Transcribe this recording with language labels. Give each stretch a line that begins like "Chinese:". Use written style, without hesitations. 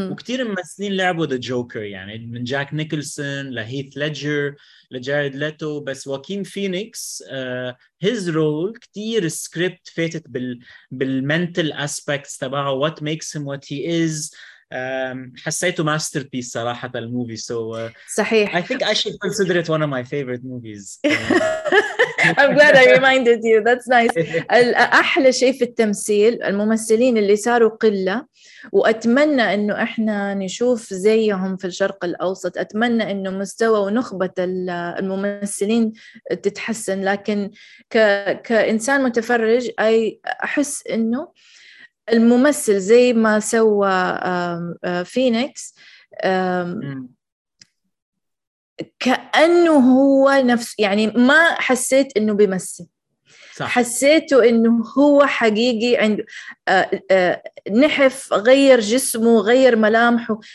Arabic: وكتير ممثلين لعبوا the Joker, يعني من جاك نيكلسون لهيث ليدجر لجاريد ليتو, بس واكين فينيكس
English: his role
Arabic: كتير script فاتت بالmental aspects تبعه,
English: what makes him what he is.
Arabic: حسيته masterpiece صراحة الموفي. So صحيح,
English: I think I should consider it one of my favorite movies. I'm glad I reminded you. That's nice.
Arabic: أحلى شيء في التمثيل الممثلين اللي صاروا قلة, وأتمنى إنه إحنا نشوف زيهم في الشرق الأوسط. أتمنى إنه مستوى ونخبة الممثلين تتحسن. لكن كإنسان متفرج, أي أحس إنه الممثل زي ما سوى فينيكس كأنه هو نفس, يعني ما حسيت إنه بيمثل, حسيته إنه هو حقيقي عنده نحف, غير جسمه, غير ملامحه.